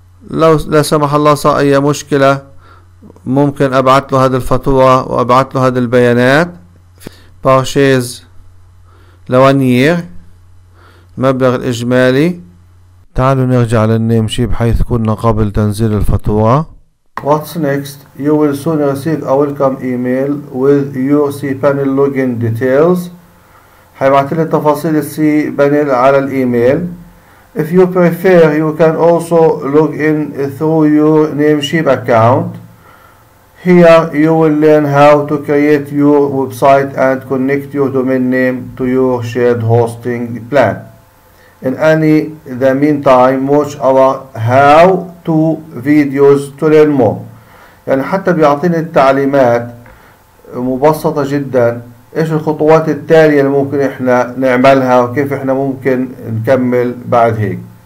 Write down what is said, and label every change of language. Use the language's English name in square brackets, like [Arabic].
[Arabic] لو لا سمح الله صار اي مشكله ممكن ابعث له هذه الفاتوره وابعث له هذه البيانات. بارشيز لوانيير، المبلغ الاجمالي. تعالوا نرجع للنيم شيب حيث كنا قبل تنزيل الفاتوره. [English] What's next? You will soon receive a welcome email with your cPanel login details. [Arabic] حيبعث لي تفاصيل cPanel على الايميل. [English] If you prefer, you can also log in through your Namecheap account. Here you will learn how to create your website and connect your domain name to your shared hosting plan. In any the meantime, watch our how to videos to learn more. [Arabic] يعني حتى بيعطيني التعليمات مبسطة جدا، ايش الخطوات التالية اللي ممكن احنا نعملها وكيف احنا ممكن نكمل بعد هيك.